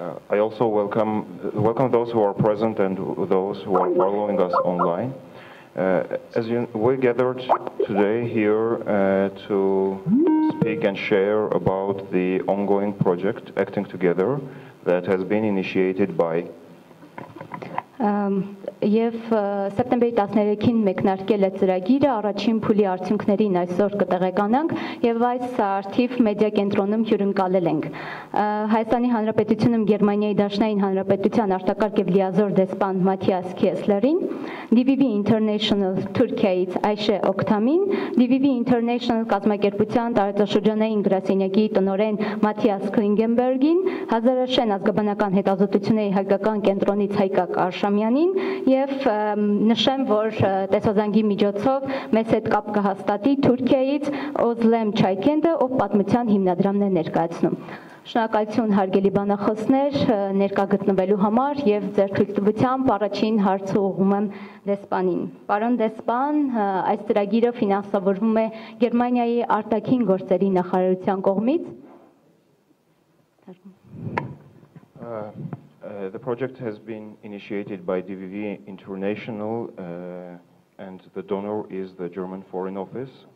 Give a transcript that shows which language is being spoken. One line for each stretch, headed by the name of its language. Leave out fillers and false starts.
English: I also welcome those who are present and those who are following us online. We gathered today here to speak and share about the ongoing project Acting Together that has been initiated by
Armenian: Եվ սեպտեմբերի 13-ին մեկնարկել է ծրագիրը, առաջին փուլի արդյունքներին այսօր կտեղեկանանք, և այս արդիվ մեդիա կենտրոնում հյուրընկալել ենք։ Հայաստանի Հանրապետությունում Գերմանիայի Դաշնային Հանրապետության արտակարգ և լիազոր դեսպան Մաթիաս Քեսլերին, DVV International Թուրքիայից Այշե Օկտամին, DVV International կազմակերպության տարածաշրջանային գրասենյակի տնօրեն Մաթիաս Կլինգենբերգին, Հազարաշեն ազգաբանական հետազոտությունների հայկական կենտրոնից Հայկակ Արշամյանին, և նշեմ, որ տեսազանգի միջոցով մեզ հետ կապ կհաստատի Թուրքիայից Օզլեմ Չայքենդը, ով պատմության հիմնադրամն է ներկայացնում։ Շնորհակալություն, հարգելի բանախոսներ, ներկա գտնվելու համար, և ձեր թույլտվությամբ առաջին հարցը ուղղում եմ դեսպանին։ Պարոն դեսպան, այս ծրագիրը ֆինանսավորվում է Գերմանիայի արտաքին գործերի նախարարության կողմից։
English: The project has been initiated by DVV International, and the donor is the German Foreign Office.